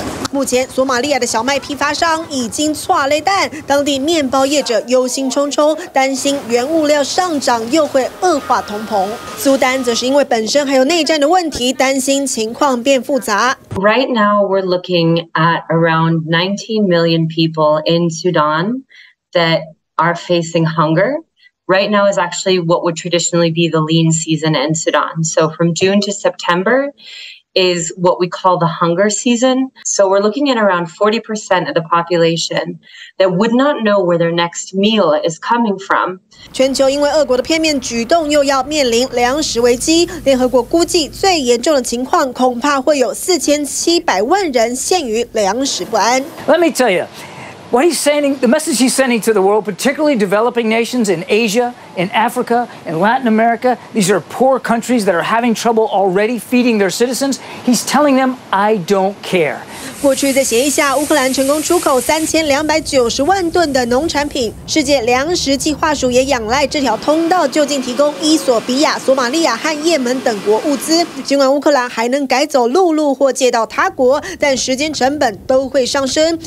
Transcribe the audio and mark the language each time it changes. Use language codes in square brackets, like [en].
[zh] 目前，索马利亚的小麦批发商已经挫累蛋，当地面包业者忧心忡忡，担心原物料上涨又会恶化通膨。苏丹则是因为本身还有内战的问题，担心情况变复杂。 [en] Right now, we're looking at around 19 million people in Sudan that are facing hunger. Right now is actually what would traditionally be the lean season in Sudan. So from June to September is what we call the hunger season. So we're looking at around 40% of the population that would not know where their next meal is coming from. [zh] 全球因为俄国的片面举动又要面临粮食危机，联合国估计最严重的情况恐怕会有4700万人陷于粮食不安。 [en] Let me tell you. What he's sending, the message he's sending to the world, particularly developing nations in Asia, in Africa, in Latin America, these are poor countries that are having trouble already feeding their citizens. He's telling them, I don't care. [zh] 过去在协议下，乌克兰成功出口3290万吨的农产品。世界粮食计划署也仰赖这条通道就近提供伊索比亚、索马利亚和也门等国物资。尽管乌克兰还能改走陆路或借到他国，但时间成本都会上升。